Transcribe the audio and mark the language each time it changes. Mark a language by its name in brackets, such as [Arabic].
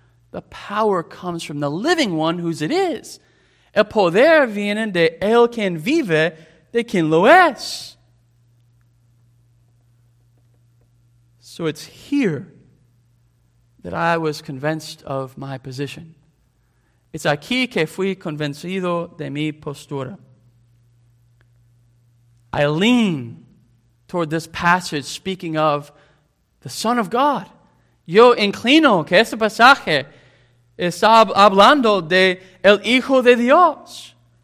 [English] The power comes from the living one whose it is. [Spanish] El poder viene de el quien vive, de quien lo es. [English] So it's here that I was convinced of my position. [Spanish] It's aquí que fui convencido de mi postura. [English] I lean toward this passage speaking of the Son of God. [Spanish] Yo inclino que este pasaje está hablando de el Hijo de Dios.